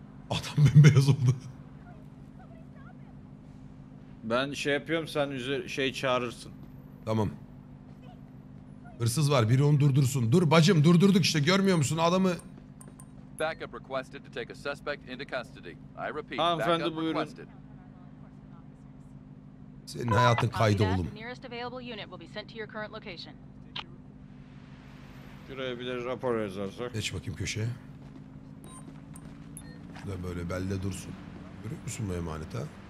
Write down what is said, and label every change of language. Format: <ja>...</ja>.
<tr>Adam bembeyaz oldu. Ben şey yapıyorum sen şey çağırırsın. Tamam. Hırsız var biri onu durdursun. Dur bacım durdurduk işte görmüyor musun adamı?</tr> <en>Backup requested to take a suspect into custody. I repeat, backup requested. Backup requested.</en> <tr>Senin hayatın kaydı oğlum. Şuraya bir de rapor yazarsak. Geç bakayım köşeye. Şurada böyle belde dursun. Görüyor musun bu emanet ha?</tr>